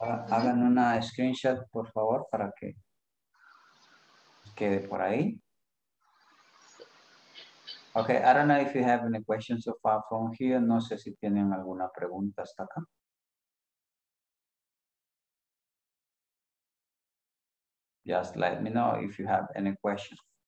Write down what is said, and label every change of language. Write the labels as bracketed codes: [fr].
[es] Hagan una screenshot, por favor, para que quede por ahí. [en] Okay, I don't know if you have any questions so far from here. [es] No sé si tienen alguna pregunta hasta acá. [en] Just let me know if you have any questions.